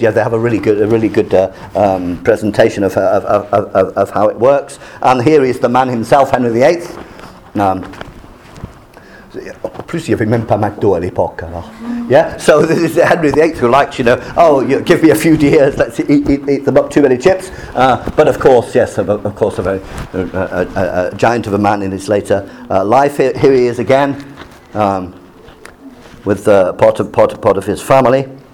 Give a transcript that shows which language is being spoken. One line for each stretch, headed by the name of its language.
English: Yeah, they have a really good presentation of how it works. And here is the man himself, Henry VIII.
French: Plus, il y avait même pas McDo à l'époque.
English: Yeah, so this is Henry VIII, who likes, you know, give me a few deers, let's eat them up, too many chips. But of course, yes, of course, a giant of a man in his later life. Here he is again, with part of his family.